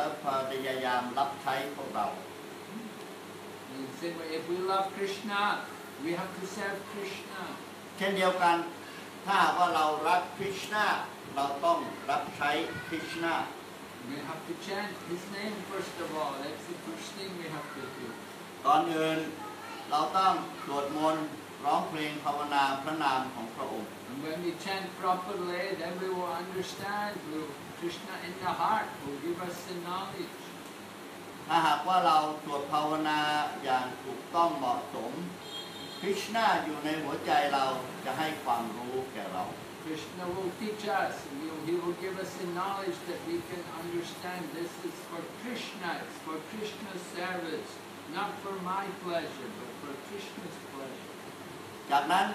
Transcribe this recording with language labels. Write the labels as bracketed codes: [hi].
[th] เหมือนกับพ่อแม่เราบิดามารดาเรารักเราและพยายามรับใช้พวกเรา [en] In the same way, if we love Krishna, we have to serve Krishna. [th] เช่นเดียวกันถ้าว่าเรารักคริสต์นาเราต้องรับใช้คริสต์นา [en] We have to chant his name first of all. That's the first thing we have to do. [th] ก่อนอื่นเราต้องสวดมนต์ ร้องเพลงภาวนาพระนามของพระองค์ [en] And when we chant properly, then we will understand Krishna in the heart will give us the knowledge. [th] ถ้าหากว่าเราสวดภาวนาอย่างถูกต้องเหมาะสม Krishna อยู่ในหัวใจเราจะให้ความรู้แก่เรา [en] Krishna will teach us. He will give us the knowledge that we can understand this is for Krishna. It's for Krishna's service. Not for my pleasure, but for Krishna's pleasure.